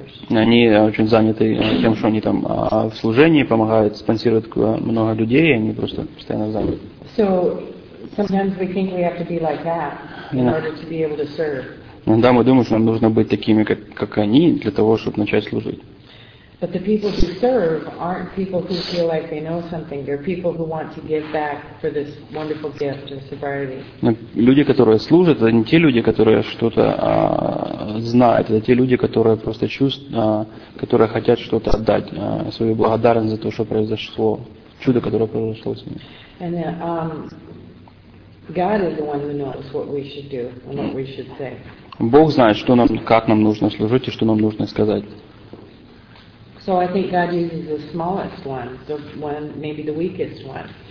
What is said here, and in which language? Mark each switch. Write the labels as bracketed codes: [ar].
[ru] Они очень заняты тем, что они там в служении помогают, спонсируют много людей, и они просто постоянно заняты. [en] So, sometimes we think we have to be like that in order to be able to serve. [ru] Иногда мы думаем, что нам нужно быть такими, как они, для того, чтобы начать служить. [en] But the people who serve aren't people who feel like they know something. They're people who want to give back for this wonderful gift of sobriety. [ru] Люди, которые служат, это не те люди, которые что-то знают. Это те люди, которые просто которые хотят что-то отдать, свою благодарность за то, что произошло, чудо, которое произошло с ними. [en] And God is the one who knows what we should do and what we should say. [ru] Бог знает, что нам, как нам нужно служить и что нам нужно сказать. [en] So I think God uses the smallest one, the one maybe the weakest one.